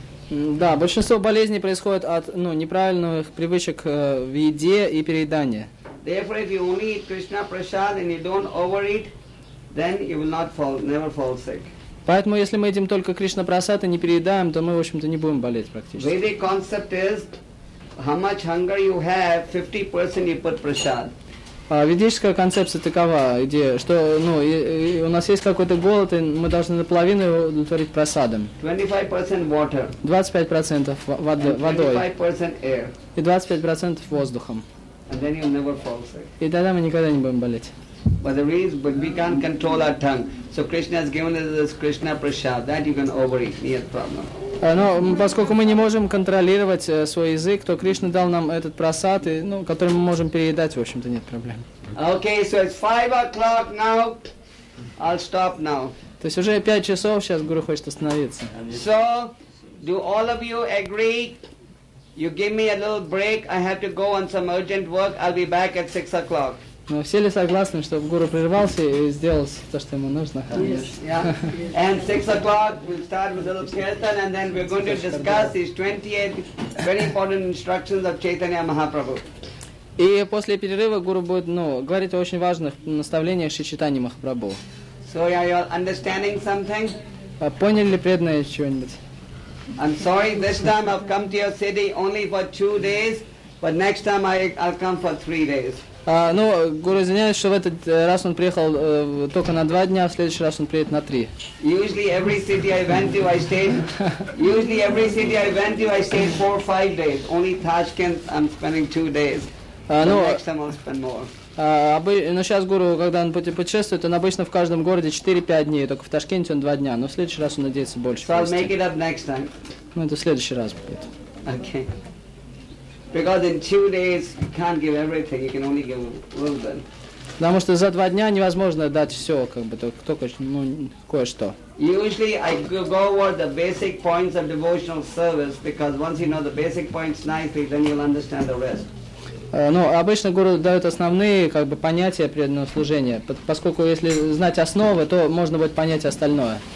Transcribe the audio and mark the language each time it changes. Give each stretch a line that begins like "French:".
Russian: Да, большинство болезней происходит от, ну, неправильных привычек в еде и переедания.
English: Therefore, if you only eat Krishna prasad and you don't overeat, then you will not fall, never fall sick.
Russian: Поэтому, если мы едим только Кришна прасад и не переедаем, то мы, в общем-то, не будем болеть практически.
English: Vedic concept is, how much hunger you have, 50% you put prasad.
Russian: А ведическая концепция такова, где, что ну, и у нас есть какой-то голод, и мы должны наполовину его удовлетворить просадом. 25% водой. 25% и 25% воздухом.
English: And then you'll never fall sick.
Russian: И тогда мы никогда не будем болеть.
English: But the reason, but we can't control our tongue. So Krishna has given us this Krishna prasad that you can overeat.
Russian: Нет проблем. Но поскольку мы не можем контролировать свой язык, то Кришна дал нам этот просад, и, ну, который мы можем переедать, в общем-то, нет проблем.
English: Okay, so it's 5 o'clock now. I'll stop now.
Russian: То есть уже 5 часов сейчас Гуру хочет остановиться.
English: So, do all of you agree? You give me a little break. I have to go on some urgent work. I'll be back at 6 o'clock.
Russian: Но все ли согласны, чтобы Гуру прервался и сделал то, что ему нужно?
English: Yes, yeah. And 6 o'clock we'll start with little kirtan, and then we're going to discuss these 28 very important instructions of Chaitanya Mahaprabhu.
Russian: И после перерыва Гуру будет, ну, говорить о очень важных наставлениях Шри Чайтаньи Махапрабху.
English: So are you all understanding something?
Russian: Поняли ли преданные чего-нибудь?
English: I'm sorry, this time I've come to your city only for 2 days, but next time I'll come for 3 days.
Russian: Ну, Гуру извиняюсь, что в этот раз он приехал только на 2 дня, а в следующий раз он приедет на 3.
English: Usually every city I went to, I stayed. Usually every city I went to, I stayed 4 or 5 days. Only Tashkent, I'm spending 2 days.
Russian: Ну,
English: next time I'll spend more.
Russian: Но сейчас Гуру, когда он путешествует, он обычно в каждом городе 4-5 дней, только в Ташкенте он 2 дня. Но в следующий раз он надеется больше.
English: So I'll make it up next time.
Russian: Ну, это в следующий раз будет.
English: Okay. Because in 2 days you can't give everything, you can only give a little bit.
Russian: Потому что за 2 дня невозможно дать все, как бы только ну, кое-что.
English: Usually I go over the basic points of devotional service, because once you know the basic points nicely, then you'll understand the rest.
Russian: Ну, обычно Гуру дает основные как бы понятия преданного служения, поскольку если знать основы, то можно будет понять остальное.